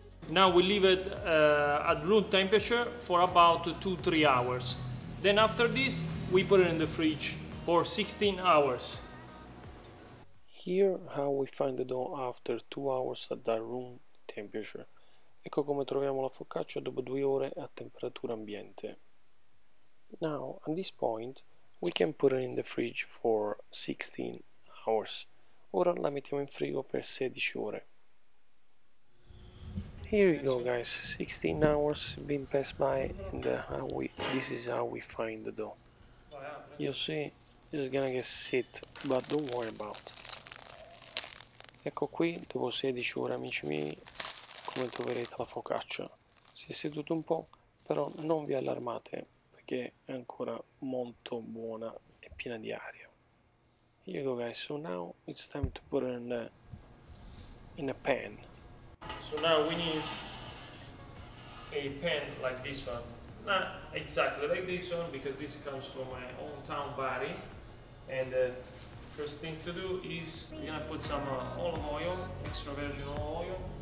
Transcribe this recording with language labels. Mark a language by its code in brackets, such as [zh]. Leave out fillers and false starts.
[en] Now we leave it at room temperature for about 2-3 hours. Then after this, we put it in the fridge for 16 hours. Here how we find the dough after 2 hours at that room temperature. [it] Ecco come troviamo la focaccia dopo 2 ore a temperatura ambiente. [en] Now, at this point, we can put it in the fridge for 16 hours. [it] Ora la mettiamo in frigo per 16 ore. [en] Here you go, guys. 16 hours been passed by, and this is how we find the dough. You see, it's gonna get sit, but don't worry about. [it] Ecco qui, dopo 16 ore, amici miei, come troverete la focaccia. Si è seduto un po', però non vi allarmate, perché è ancora molto buona e piena di aria. [en] Here you go, guys. So now it's time to put it in a pan. So now we need a pan like this one, not exactly like this one, because this comes from my hometown body. And the first thing to do is we're gonna put some olive oil, extra virgin olive oil.